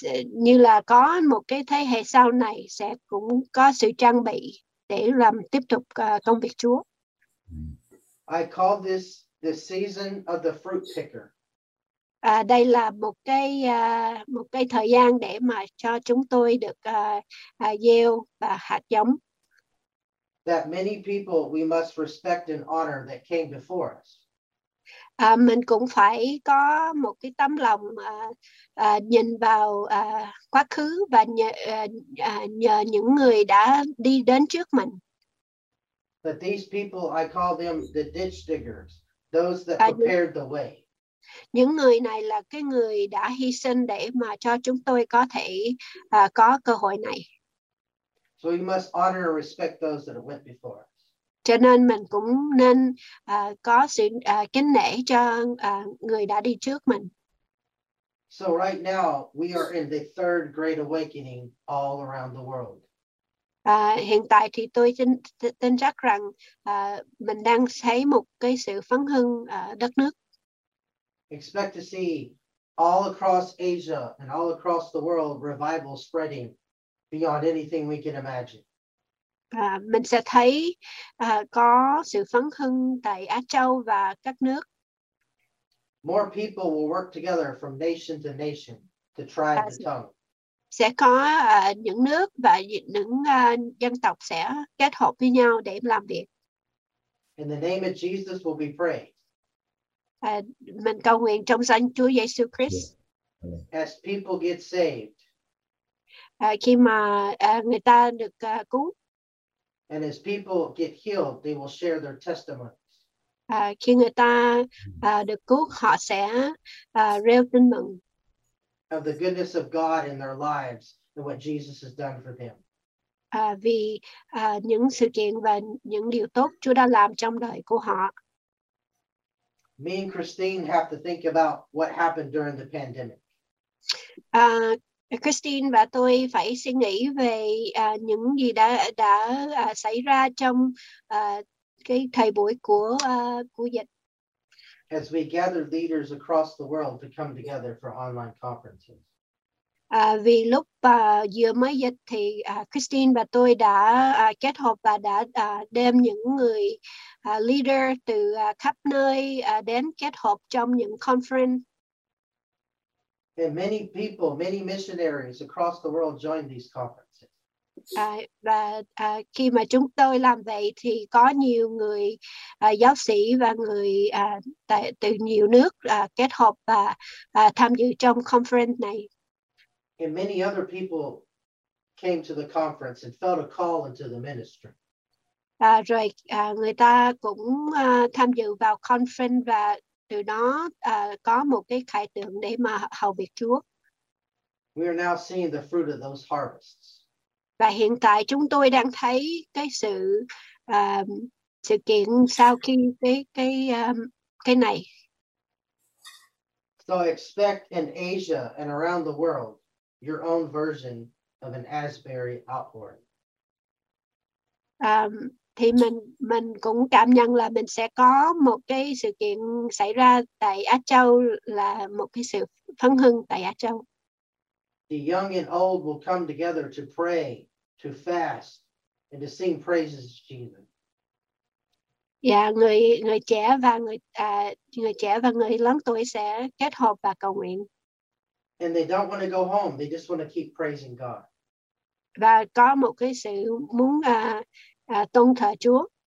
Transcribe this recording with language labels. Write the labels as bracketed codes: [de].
[vi] Như là có một cái thế hệ sau này sẽ cũng có sự trang bị để làm tiếp tục công việc Chúa. [en] I call this the season of the fruit picker. [vi] Đây là một cái thời gian để mà cho chúng tôi được gieo và hạt giống. [en] That many people we must respect and honor that came before us. [vi] Mình cũng phải có một cái tấm lòng nhìn vào quá khứ và nhờ những người đã đi đến trước mình. [en] But these people, I call them the ditch diggers, those that prepared the way. [vi] Những người này là cái người đã hy sinh để mà cho chúng tôi có thể có cơ hội này. [en] So we must honor and respect those that went before. [vi] Cho nên mình cũng nên có sự kính nể cho người đã đi trước mình. [en] So right now we are in the third great awakening all around the world. [vi] Hiện tại thì tôi tin chắc rằng mình đang thấy một cái sự phấn hưng đất nước. [en] Expect to see all across Asia and all across the world revival spreading beyond anything we can imagine. [vi] Mình sẽ thấy có sự phấn hưng tại Á Châu và các nước. [en] More people will work together from nation to nation, to tribe and tongue. [vi] Sẽ có những nước và những dân tộc sẽ kết hợp với nhau để làm việc. [en] In the name of Jesus will be praised. [vi] Mình cầu nguyện trong danh Chúa Giêsu Christ. [en] As people get saved. [vi] Khi mà người ta được cứu. [en] And as people get healed, they will share their testimonies. [vi] Khi người ta được cứu, họ sẽ rêu tin mừng. [en] Of the goodness of God in their lives and what Jesus has done for them. [vi] Vì những sự kiện và những điều tốt Chúa đã làm trong đời của họ. [en] Me and Christine have to think about what happened during the pandemic. [vi] Christine và tôi phải suy nghĩ về những gì đã xảy ra trong cái thời buổi của dịch. [en] As we gather leaders across the world to come together for online conferences. [vi] Vì lúc vừa mới dịch thì Christine và tôi đã kết hợp và đã đem những người leader từ khắp nơi đến kết hợp trong những conference. [en] And many people, many missionaries across the world joined these conferences. [vi] Khi mà chúng tôi làm vậy thì có nhiều người giáo sĩ và người từ nhiều nước kết hợp và tham dự trong conference này. [en] And many other people came to the conference and felt a call into the ministry. [vi] Rồi người ta cũng tham dự vào conference và từ đó có một cái khải tượng để mà hầu việc Chúa. [en] We are now seeing the fruit of those harvests. [vi] Và hiện tại chúng tôi đang thấy cái sự sự kiện sau khi cái này. [en] So expect in Asia and around the world your own version of an Asbury outpouring. [vi] Thì mình cũng cảm nhận là mình sẽ có một cái sự kiện xảy ra tại Á Châu là một cái sự phấn hưng tại Á Châu. [en] The young and old will come together to pray, to fast, and to sing praises to Jesus. [vi] Yeah, người trẻ và người trẻ và người lớn tuổi sẽ kết hợp và cầu nguyện. [en] And they don't want to go home. They just want to keep praising God. [vi] Và có một cái sự muốn tôn thờ Chúa.